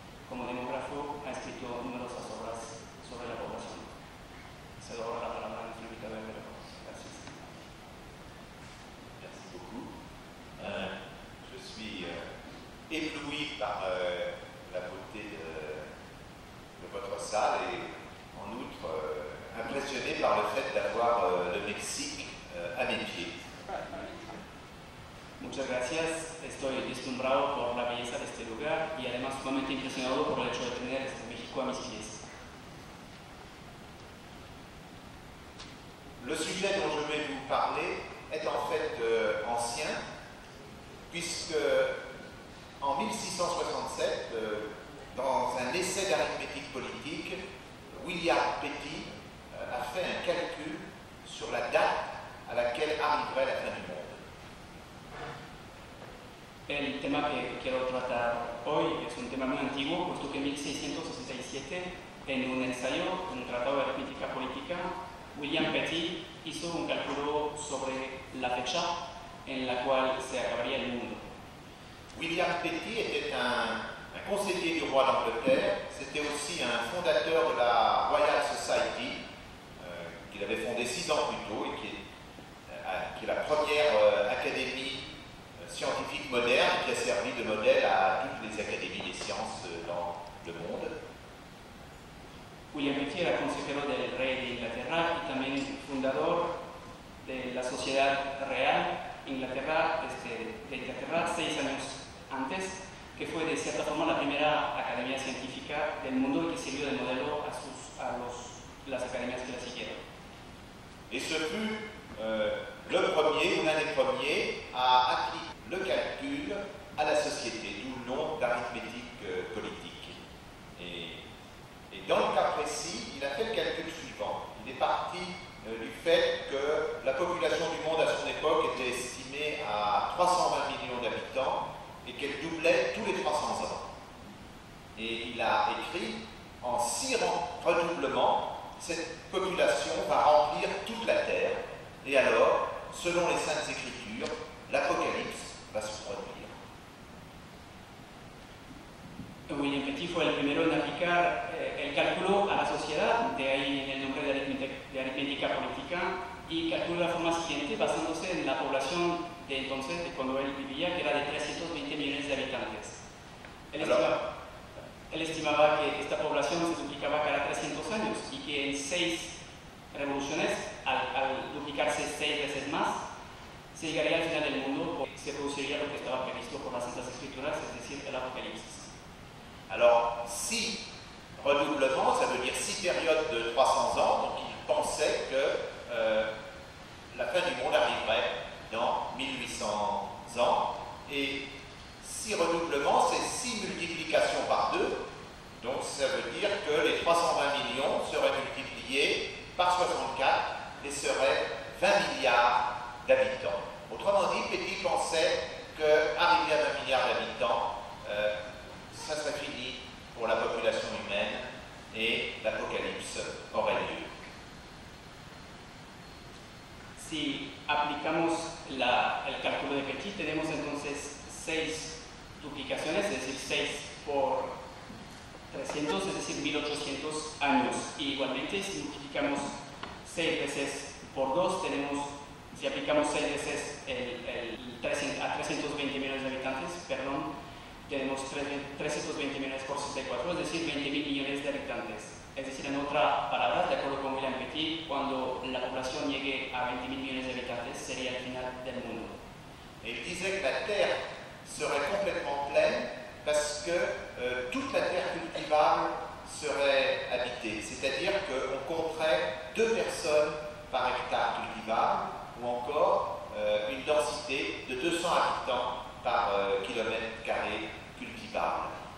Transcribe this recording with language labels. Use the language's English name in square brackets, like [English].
[Spanish] Como demógrafo, ha escrito numerosas obras sobre la población. Se doy la palabra a nuestro invitado de Verón. Gracias. Gracias. [French] Je suis ébloui par la beauté de votre salle et en outre impressionné par le fait d'avoir le Mexique à mes pieds. [Spanish] Muchas gracias. Estoy deslumbrado por la belleza de este lugar y además sumamente impresionado por el hecho de tener este México a mis pies. [French] Le sujet dont je vais vous parler est en fait ancien, puisque en 1667, dans un essai d'arithmétique politique, William Petty a fait un calcul sur la date à laquelle arriverait la fin du monde. [Spanish] El tema que quiero tratar hoy es un tema muy antiguo, puesto que en 1667, en un ensayo, en un tratado de arithmética política, William Petty hizo un cálculo sobre la fecha en la cual se acabaría el mundo. [French] William Petty était un conseiller du roi d'Angleterre, c'était aussi un fondateur de la Royal Society, qu'il avait fondée 6 ans plus tôt et qui est la première académie scientifique moderne qui a servi de modèle à toutes les académies des sciences dans le monde. [Spanish] William Petty era consejero del rey de Inglaterra y también fundador de la Sociedad Real Inglaterra, de Inglaterra 6 años antes, que fue de cierta forma la primera academia científica del mundo y que sirvió de modelo a las academias que la siguieron. [French] Et ce fut le premier, l'un des premiers, à appliquer le calcul à la société, d'où le nom d'arithmétique politique. Et dans le cas précis, il a fait le calcul suivant. Il est parti du fait que la population du monde à son époque était estimée à 320 millions d'habitants et qu'elle doublait tous les 300 ans. Et il a écrit en 6 redoublements, cette population va remplir toute la terre. Et alors, selon les saintes écritures, l'apocalypse va se produire. [Spanish] William Petty fue el primero en aplicar el cálculo a la sociedad, de ahí el nombre de aritmética política, y calculó la forma siguiente basándose en la población de entonces, de cuando él vivía, que era de 320 millones de habitantes. Él estimaba que esta población se duplicaba cada 300 años y que en 6 revoluciones, al duplicarse 6 veces más, se llegaría al final del mundo o se produciría lo que estaba previsto por las Santas Escrituras, es decir, el apocalipsis. [French] Alors, 6 redoublements, ça veut dire 6 périodes de 300 ans, donc il pensait que la fin du monde arriverait dans 1800 ans. Et 6 redoublements, c'est 6 multiplications par 2. Donc ça veut dire que les 320 millions seraient multipliés par 64 et seraient 20 milliards d'habitants. Autrement dit, Petit pensait qu'arriver à 20 milliards d'habitants, ça serait fini pour la population humaine et l'apocalypse aurait lieu. [Spanish] Si aplicamos el cálculo de Petit, tenemos entonces 6 duplicaciones, es decir, 6 por 300, es decir, 1800 años. Y igualmente, si multiplicamos 6 veces por 2, tenemos, si aplicamos 6 veces a 320 millones de habitantes, perdón, tenemos 320 millones por 64, es decir, 20 mil millones de habitantes. Es decir, en otras palabras, de acuerdo con William Petit, cuando la población llegue a 20 mil millones de habitantes, sería el final del mundo. [French] Il disait que la Terre serait complètement pleine parce que toute la Terre cultivable serait habitée. C'est-à-dire qu'on compterait 2 personnes par hectare cultivable ou encore une densité de 200 habitants par kilomètre carré cultivable.